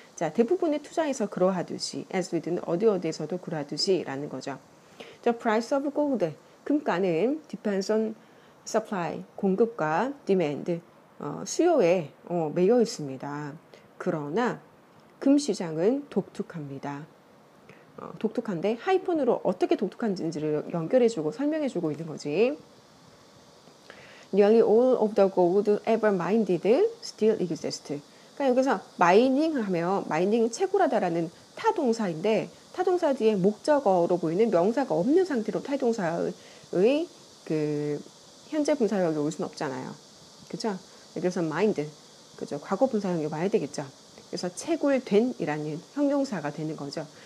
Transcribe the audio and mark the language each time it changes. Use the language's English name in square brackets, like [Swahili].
[Korean] 자, 대부분의 투자에서 그러하듯이, [English] as with [Korean] 는 어디 어디에서도 그러하듯이라는 거죠. [English] The price of gold, [Korean] 금가는 [English] depends on supply, [Korean] 공급과 [English] demand, [Korean] 수요에 매여 있습니다. 그러나 금시장은 독특합니다. 독특한데 하이픈으로 어떻게 독특한지를 연결해주고 설명해주고 있는 거지. [English] Nearly all of the gold ever mined still exists. [Korean] 그러니까 여기서 마이닝 하면 마이닝은 채굴하다라는 타동사인데, 타동사 뒤에 목적어로 보이는 명사가 없는 상태로 타동사의 그 현재 분사형이 올 수는 없잖아요. 그죠? 여기서 마인드, 그죠? 과거 분사형이 와야 되겠죠. 그래서 채굴된이라는 형용사가 되는 거죠.